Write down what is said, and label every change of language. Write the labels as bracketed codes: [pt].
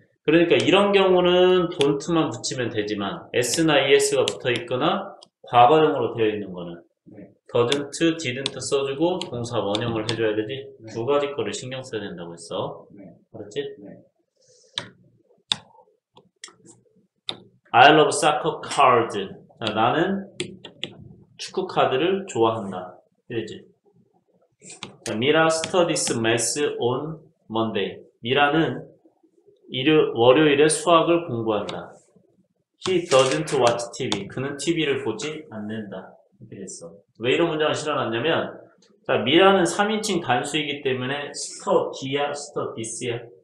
[ko] 그러니까 이런 경우는 don't만 붙이면 되지만 s나 es가 붙어 있거나 과거형으로 되어 있는 거는 doesn't, didn't 써주고 동사 원형을 해줘야 되지. 두 가지 거를 신경 써야 된다고 했어. 알았지? [en] love soccer card. [ko] 자, 나는 축구 카드를 좋아한다. 그지? [en] Mira studies math on Monday. [ko] 미라는 월요일에 수학을 공부한다. [en] He doesn't watch TV. [ko] 그는 TV를 보지 않는다. 이렇게 됐어. 왜 이런 문장을 실어놨냐면, 자, 미라는 3인칭 단수이기 때문에 스터 디야, 스터 디스야.